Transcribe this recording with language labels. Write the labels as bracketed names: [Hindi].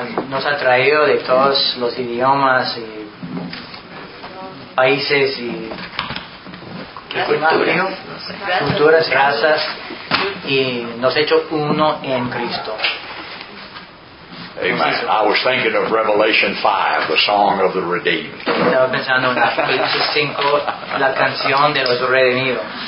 [Spanish] Nos ha traído de todos los idiomas y países y culturas, razas, y nos ha hecho uno en Cristo. Amen. [English] I was thinking of Revelation 5, the song of the redeemed. [Spanish] Estaba pensando en Apocalipsis 5, la canción de los redimidos.